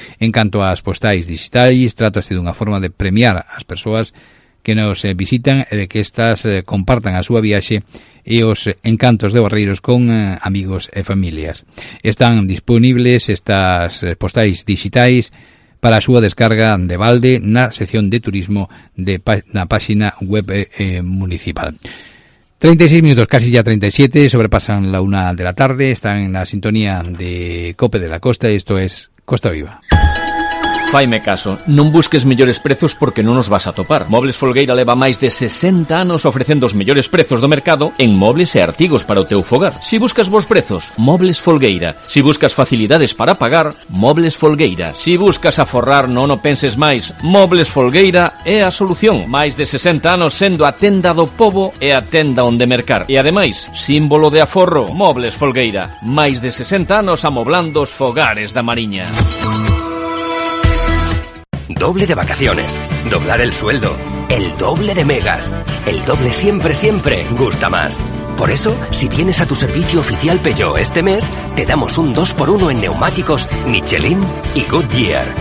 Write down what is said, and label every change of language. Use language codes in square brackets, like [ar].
[gl] En canto ás postais digitais, trátase dunha forma de premiar as persoas que nos visitan e de que estas compartan a súa viaxe e os encantos de Barreiros con amigos e familias. Están disponibles estas postais digitais para a súa descarga de balde na sección de turismo na páxina web municipal. [es] 36 minutos, casi ya 37, sobrepasan la una de la tarde, están en la sintonía de Cope de la Costa, esto es Costa Viva. [gl] Faime caso, non busques mellores prezos porque non os vas a topar. Mobles Folgueira leva máis de 60 anos ofrecendo os mellores prezos do mercado en mobles e artigos para o teu fogar. Si buscas bons prezos, Mobles Folgueira. Si buscas facilidades para pagar, Mobles Folgueira. Si buscas aforrar, non o penses máis. Mobles Folgueira é a solución. Máis de 60 anos sendo a tenda do pobo e a tenda onde mercar. E ademais, símbolo de aforro, Mobles Folgueira. Máis de 60 anos amoblando os fogares da Mariña. [es] Doble de vacaciones, doblar el sueldo, el doble de megas, el doble siempre, siempre gusta más. Por eso, si vienes a tu servicio oficial Peugeot este mes, te damos un 2x1 en neumáticos Michelin y Goodyear.